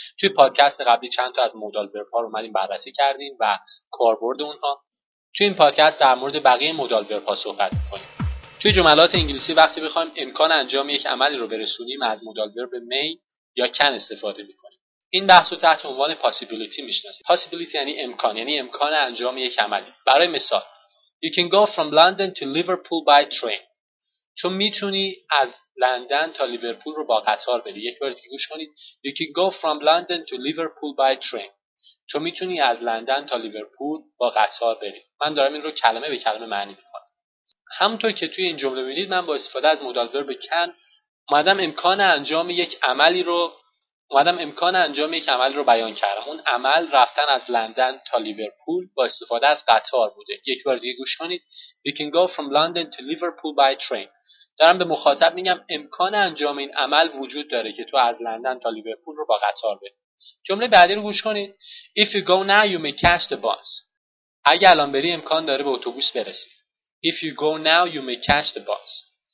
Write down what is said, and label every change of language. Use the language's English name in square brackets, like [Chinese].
[Persian] توی پادکست قبلی چند تا از مودال ورب ها رو اومدیم بررسی کردیم و کاربرد اونها. توی این پادکست در مورد بقیه مودال ورب ها صحبت می‌کنیم. توی جملات انگلیسی وقتی بخوایم امکان انجام یک عملی رو برسونیم از مودال ورب می یا کن استفاده می‌کنیم. این بحث رو تحت عنوان possibility می‌شناسیم. possibility یعنی امکان، یعنی امکان انجام یک عملی. برای مثال [English] you can go from London to Liverpool by train. [Persian] تو میتونی از لندن تا لیورپول رو با قطار بری. یک بار دیگه گوش کنید. [English] You can go from London to Liverpool by train. [Persian] تو میتونی از لندن تا لیورپول با قطار بری. من دارم این رو کلمه به کلمه معنی میکنم. همونطور که توی این جمله میبینید، من با استفاده از مودال ورب کن اومدم امکان انجام یک عملی رو بیان کردم. اون عمل رفتن از لندن تا لیورپول با استفاده از قطار بوده. یک بار دیگه گوش کنید. [English] You can go from London to Liverpool by train. [Persian] دارم به مخاطب میگم امکان انجام این عمل وجود داره که تو از لندن تا لیورپول رو با قطار بری. جمله بعدی رو گوش کنید. [English] If you go now you may catch the bus. [Persian] اگه الان بری امکان داره به اتوبوس برسی. [English] If you go now you may catch the bus.